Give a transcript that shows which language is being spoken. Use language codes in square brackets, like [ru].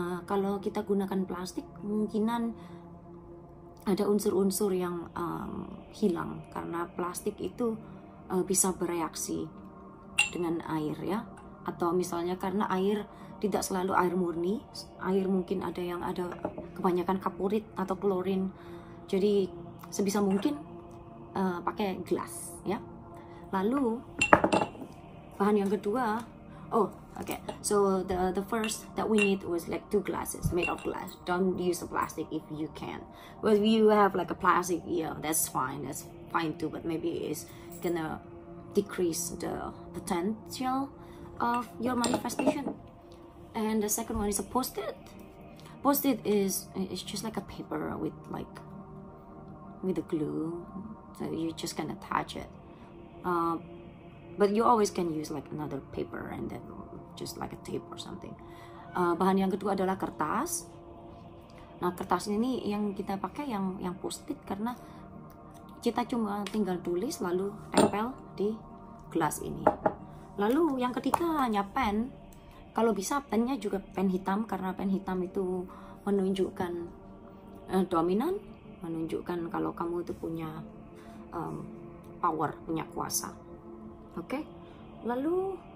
[id] Kalau kita gunakan plastik, kemungkinan ada unsur-unsur yang hilang karena plastik itu bisa bereaksi dengan air ya, atau misalnya karena air tidak selalu air murni, air mungkin ada yang ada kebanyakan kapurit atau klorin. Jadi sebisa mungkin pakai gelas ya. Lalu bahan yang kedua, [en] so the first that we need was like two glasses made of glass. Don't use a plastic if you can. Well, if you have like a plastic, yeah, that's fine. That's fine too, but maybe it's gonna decrease the potential of your manifestation. And the second one is a post-it. Post-it is it's just like a paper with like with the glue, so you just can attach it. But you always can use like another paper and then just like a tape or something. [id] Bahan yang kedua adalah kertas. Nah, kertas ini yang kita pakai yang post-it, karena kita cuma tinggal tulis lalu tempel di gelas ini. Lalu yang ketiga hanya pen. Kalau bisa pennya juga pen hitam, karena pen hitam itu menunjukkan dominan, menunjukkan kalau kamu itu punya power, punya kuasa. Oke. Lalu